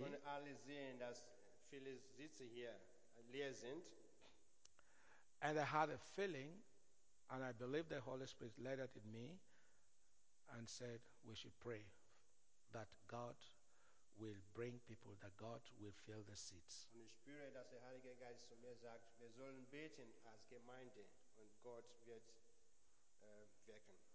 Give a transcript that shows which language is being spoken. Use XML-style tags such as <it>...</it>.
<de>Wir können alle sehen, dass viele Sitze hier leer sind.</de> <en>And I had a feeling, and I believe the Holy Spirit led that in me and said, we should pray that God will bring people, that God will fill the seats.</en> <de>Und ich spüre, dass der Heilige Geist zu mir sagt, wir sollen beten als Gemeinde und Gott wird wirken.</de>